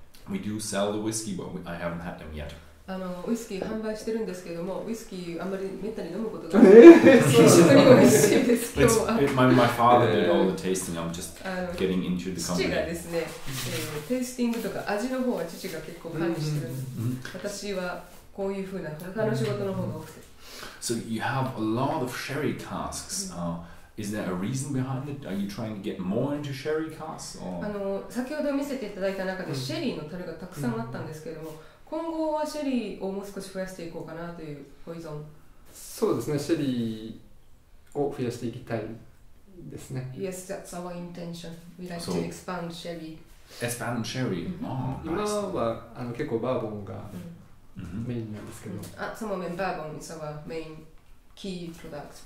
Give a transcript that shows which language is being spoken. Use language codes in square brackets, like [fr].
[en] We do sell the whiskey, but I haven't had them yet. [ja] ウイスキー販売してるんですけども、ウイスキーあんまりめったに飲むことがない。非常に美味しいです。今日は。 [en] My father did all the tasting. I'm just getting into the company. [ja] 父がですね、テイスティングとか味の方は父が結構管理してるんです。私はこういうふうな他の仕事の方が多くて。 [en] So you have a lot of sherry casks. Is there a reason behind it? Are you trying to get more into sherry casks? [ja] 先ほど見せていただいた中でシェリーの樽がたくさんあったんですけれども、今後はシェリーをもう少し増やしていこうかなというホイゾン。そうですね、シェリーを増やしていきたいですね。 [en] Yes, that's our intention. We like to expand sherry. Expand sherry. Oh, nice. [ja] 今は結構バーボンがメインなんですけど。 [en] At the moment, bourbon is our main key product.